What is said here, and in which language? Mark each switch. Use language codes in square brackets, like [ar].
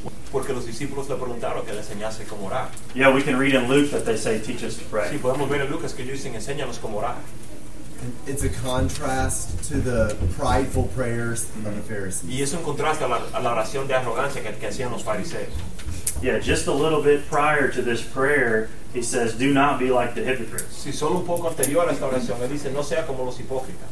[es] Porque los discípulos le preguntaron que le enseñase cómo orar. [en] Yeah, we can read in Luke that they say, teach us to pray. [es] Sí, podemos ver en Lucas que dicen, enséñanos cómo orar. [en] It's a contrast to the prideful prayers of the Pharisees. [es] Y es un contraste a la oración de arrogancia que hacían los fariseos. [en] Yeah, just a little bit prior to this prayer, he says, "Do not be like the hypocrites." [es] Si solo un poco anterior a esta oración, él dice, "No sea como los hipócritas."